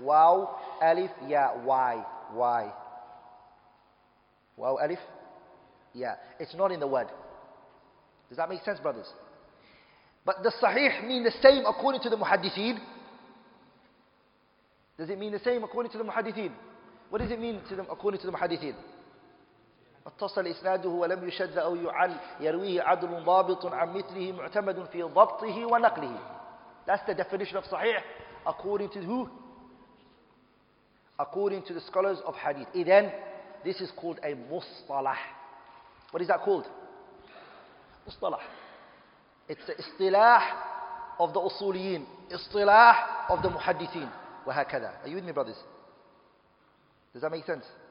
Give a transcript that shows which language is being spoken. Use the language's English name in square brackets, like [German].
[English] Waw, alif, ya, why? Why? Waw, alif, ya. It's not in the word. Does that make sense, brothers? But the sahih mean the same according to the muhaddithin? Does it mean the same according to the muhaddithin? What does it mean to them according to the muhaddithin? [Arabic] اتصل إسناده ولم يشد أو يعل يرويه عدل ضابط عن مثله معتمد في ضبطه ونقله. [English] That's the definition of صحيح according to who? According to the scholars of hadith. Then this is called a مصطلح. What is that called? مصطلح. It's the اصطلاح of the أصوليين. اصطلاح of the محدثين. وهكذا. Are you with me, brothers? Does that make sense?